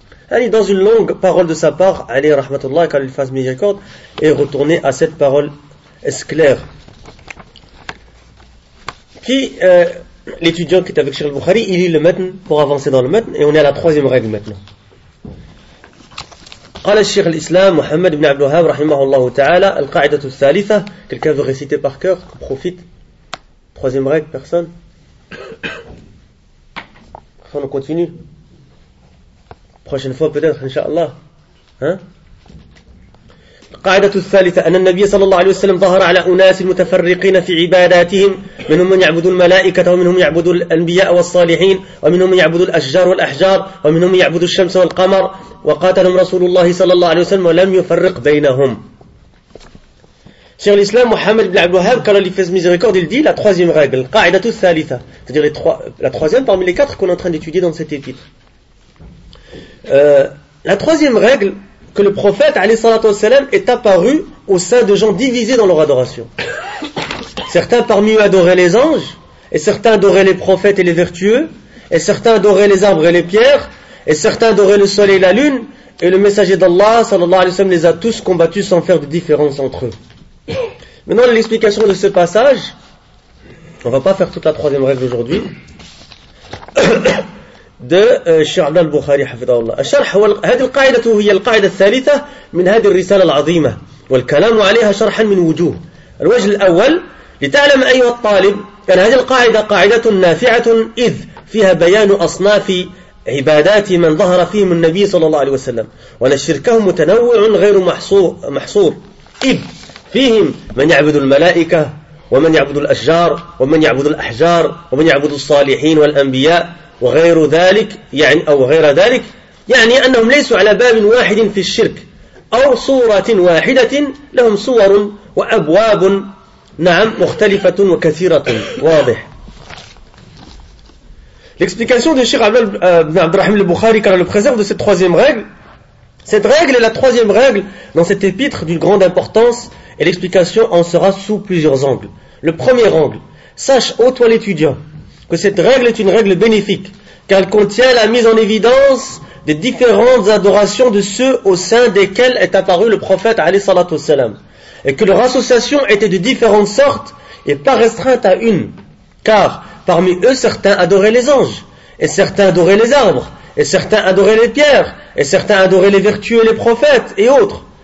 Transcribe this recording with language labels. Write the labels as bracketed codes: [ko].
[fr] Allez, dans une longue parole de sa part, allez, rahmatullah, qu'Allah lui fasse miséricorde, et retournez à cette parole. Est-ce clair? Qui, l'étudiant qui est avec Cheikh al-Bukhari, il lit le matn pour avancer dans le matn, et on est à la troisième règle maintenant. [ar] قال الشيخ الإسلام محمد بن عبد الوهاب رحمه الله تعالى القاعدة الثالثة. [fr] Quelqu'un veut réciter par cœur, profite. Troisième règle, personne. On continue. Prochaine fois peut-être, inshallah. Hein? [ar] القاعدة الثالثة أن النبي صلى الله عليه وسلم ظهر على أناس متفرقين في عباداتهم منهم من يعبد الملائكة ومنهم يعبد الأنبياء والصالحين ومنهم يعبد الأشجار والأحجار ومنهم يعبد الشمس والقمر وقاتلهم رسول الله صلى الله عليه وسلم ولم يفرق بينهم. شيخ الإسلام محمد بن عبد الوهاب قال [fr] لي فاز ميزريكورد il dit la troisième règle, [ar] القاعدة الثالثة, [fr] c'est-à-dire les trois, la troisième parmi les quatre qu'on est en train d'étudier dans cet épître. La troisième règle que le prophète, alayhi salatu wassalam, est apparu au sein de gens divisés dans leur adoration. Certains parmi eux adoraient les anges, et certains adoraient les prophètes et les vertueux, et certains adoraient les arbres et les pierres, et certains adoraient le soleil et la lune, et le messager d'Allah, sallallahu alayhi wa sallam, les a tous combattus sans faire de différence entre eux. Maintenant, l'explication de ce passage, on ne va pas faire toute la troisième règle aujourd'hui, de Cheikh Abdal Bukhari hafidhahullah. [ar] الشرح هو هذه القاعدة هي القاعدة الثالثة من هذه الرسالة العظيمة والكلام عليها شرحا من وجوه. الوجه الأول لتعلم أيها الطالب أن هذه القاعدة قاعدة نافعة إذ فيها بيان أصناف عبادات من ظهر فيهم النبي صلى الله عليه وسلم وأن شركهم متنوع غير محصور إذ فيهم من يعبد الملائكة ومن يعبد الأشجار ومن يعبد الأحجار ومن يعبد الصالحين والأنبياء وغير ذلك يعني أو غير ذلك يعني أنهم ليسوا على باب واحد في الشرك أو صورة واحدة لهم صور وأبواب نعم مختلفة وكثيرة واضح. [fr] L'explication de Cheikh Abd al-Rahim al-Bukhari car le préserve de cette troisième règle. Cette règle est la troisième règle dans cet épître d'une grande importance et l'explication en sera sous plusieurs angles. Le premier angle, sache ô toi l'étudiant que cette règle est une règle bénéfique, car elle contient la mise en évidence des différentes adorations de ceux au sein desquels est apparu le prophète, alayhi salatu wassalam, et que leur association était de différentes sortes, et pas restreinte à une, car parmi eux, certains adoraient les anges, et certains adoraient les arbres, et certains adoraient les pierres, et certains adoraient les vertueux et les prophètes, et autres.